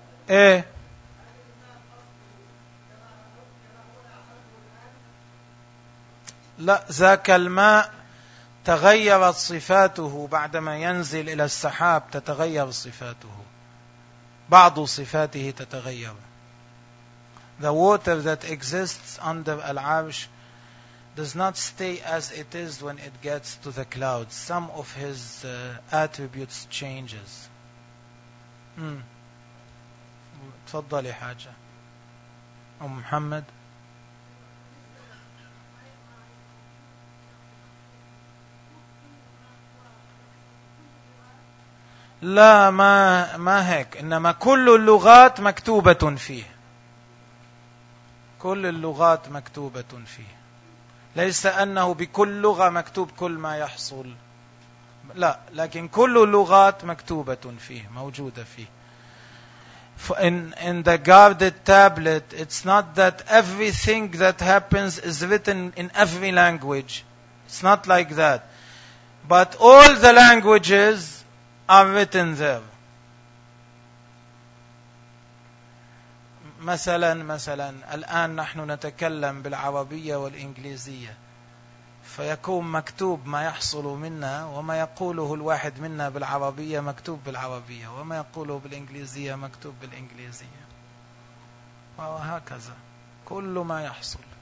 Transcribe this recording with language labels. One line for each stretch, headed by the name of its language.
Arabic: ايه؟ لا، ذاك الماء تغيرت صفاته بعدما ينزل إلى السحاب، تتغير صفاته. بعض صفاته تتغير.
English: The water that exists under Al-Arsh does not stay as it is when it gets to the clouds. Some of his attributes changes.
Arabic: تفضل يا حاجة. أم محمد. لا، ما هيك، إنما كل اللغات مكتوبة فيه. كل اللغات مكتوبة فيه، ليس أنه بكل لغة مكتوب كل ما يحصل، لا، لكن كل اللغات مكتوبة فيه، موجودة فيه.
English: In the guarded tablet, it's not that everything that happens is written in every language. It's not like that. But all the languages are written there.
Arabic: مثلا الآن نحن نتكلم بالعربية والإنجليزية، فيكون مكتوب ما يحصل منا وما يقوله الواحد منا بالعربية مكتوب بالعربية، وما يقوله بالإنجليزية مكتوب بالإنجليزية، وهكذا كل ما يحصل.